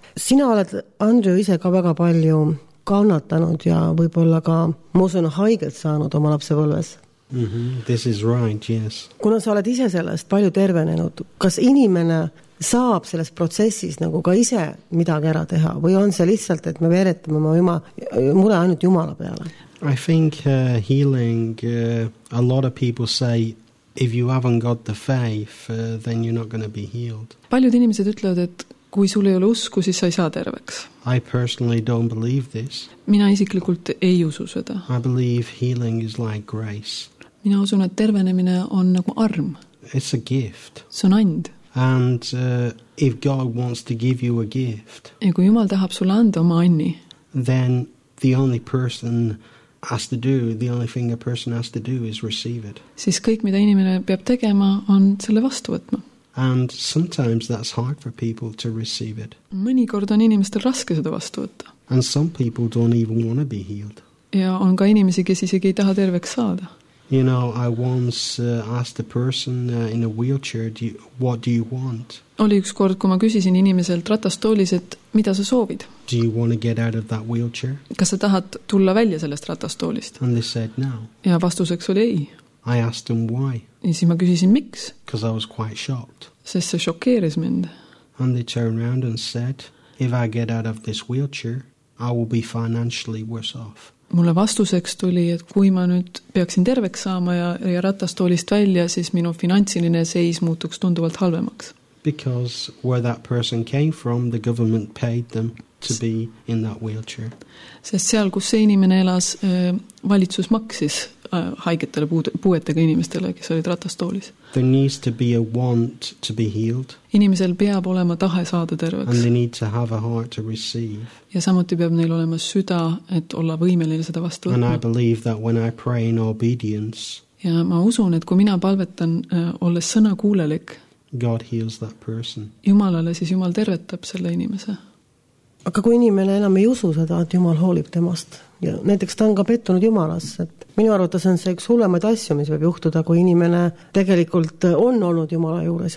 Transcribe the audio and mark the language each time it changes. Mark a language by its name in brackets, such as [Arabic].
[Estonian] Sina oled, Andrew, ise ka väga palju kannatanud ja võib-olla ka musun haigelt saanud oma lapsepõlves. [English] Mm-hmm. This is right, yes. [Estonian] Kuna sa oled ise sellest palju tervenenud, kas inimene saab selles protsessis nagu ka ise midagi ära teha või on see lihtsalt, et me veeretame oma mure ainult Jumala peale? [English] I think healing, a lot of people say, if you haven't got the faith, then you're not going to be healed. [Estonian] Paljud inimesed ütlevad, et kui sul ei ole usku, siis sa ei saa terveks. [English] I personally don't believe this. [Estonian] Mina isiklikult ei usu seda. [English] I believe healing is like grace. [Estonian] Mina usun, et tervenemine on nagu arm. [English] It's a gift. [Estonian] See on and. [English] And if God wants to give you a gift, [Estonian] ja kui Jumal tahab sulle anda oma anni, [English] then the only person has to do, the only thing a person has to do is receive it. [Estonian] Siis kõik, mida inimene peab tegema, on selle vastu võtma. [English] And sometimes that's hard for people to receive it. [Estonian] Mõnikord on inimestel raske seda vastu võtta. [English] And some people don't even want to be healed. [Estonian] Ja on ka inimesi, kes isegi ei taha terveks saada. [English] You know, I once asked a person in a wheelchair, what do you want? [Estonian] Oli üks kord, kui ma küsisin inimeselt ratastoolis, et mida sa soovid? [English] Do you want to get out of that wheelchair? [Estonian] Kas sa tahad tulla välja sellest ratastoolist? [English] And they said no. [Estonian] Ja vastuseks oli ei. [English] I asked them why. [Estonian] Ja siis ma küsisin miks. [English] Because I was quite shocked. [Estonian] Sest see šokeeris mind. [English] And they turned around and said, if I get out of this wheelchair, I will be financially worse off. [Estonian] Mulle vastuseks tuli, et kui ma nüüd peaksin terveks saama ja ratastoolist välja, siis minu finantsiline seis muutuks tunduvalt halvemaks. [English] Because where that person came from, the government paid them to be in that wheelchair. [Estonian] Sest seal, kus see inimene elas, valitsus maksis haigetele puuetega inimestele, kes olid ratastoolis. [English] There needs to be a want to be healed. [Estonian] Inimesel peab olema tahe saada terveks. [English] And they need to have a heart to receive. [Estonian] Ja samuti peab neil olema süda, et olla võimeline seda vastu võtma. [English] And I believe that when I pray in obedience. [Estonian] Ja ma usun, et kui mina palvetan olles sõna kuulelik, [English] God heals that person. [Estonian] Jumalale siis Jumal tervetab selle inimese. Aga kui inimene enam ei usu seda, et Jumal hoolib temast. Ja näiteks ta on ka pettunud Jumalasse. Et minu arvates on see üks hullemaid asju, mis võib juhtuda, kui inimene tegelikult on olnud Jumala juures.